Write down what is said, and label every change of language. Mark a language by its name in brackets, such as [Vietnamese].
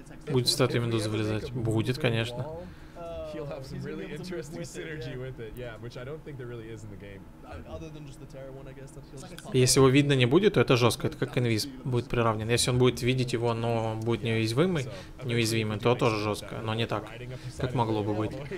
[Russian] Будет статуя Медузы вылезать? Будет, конечно. [English] he'll have some really interesting synergy with it, yeah, which I don't think there really is in the game. Other than just the Terror one, I guess, that he'll just pop. [Russian] Если его видно не будет, то это жестко, это как инвиз будет приравнен. Если он будет видеть его, но будет неуязвимый, то тоже жестко, но не так, как могло бы быть.